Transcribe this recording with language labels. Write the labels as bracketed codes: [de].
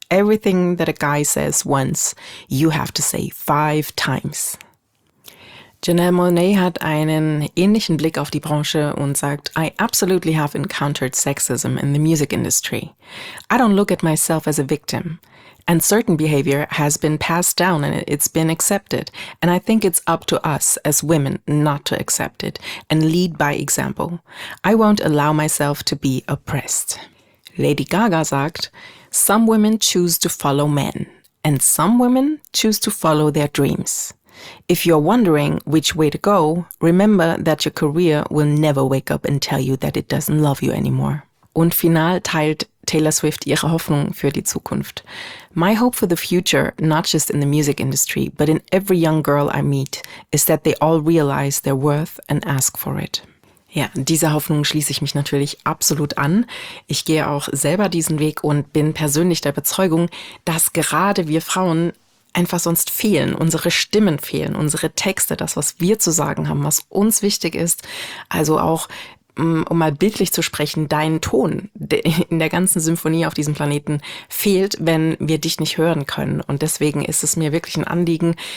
[en] Everything that a guy says once, you have to say 5 times. [de] Janelle Monáe hat einen ähnlichen Blick auf die Branche und sagt, [en] I absolutely have encountered sexism in the music industry. I don't look at myself as a victim. And certain behavior has been passed down and it's been accepted. And I think it's up to us as women not to accept it and lead by example. I won't allow myself to be oppressed. Lady Gaga sagt, some women choose to follow men and some women choose to follow their dreams. If you're wondering which way to go, remember that your career will never wake up and tell you that it doesn't love you anymore. [de] Und final teilt Taylor Swift ihre Hoffnung für die Zukunft. [en] My hope for the future, not just in the music industry, but in every young girl I meet, is that they all realize their worth and ask for it. [de] Ja, dieser Hoffnung schließe ich mich natürlich absolut an. Ich gehe auch selber diesen Weg und bin persönlich der Überzeugung, dass gerade wir Frauen einfach sonst fehlen, unsere Stimmen fehlen, unsere Texte, das, was wir zu sagen haben, was uns wichtig ist, also auch um mal bildlich zu sprechen, dein Ton in der ganzen Symphonie auf diesem Planeten fehlt, wenn wir dich nicht hören können. Und deswegen ist es mir wirklich ein Anliegen,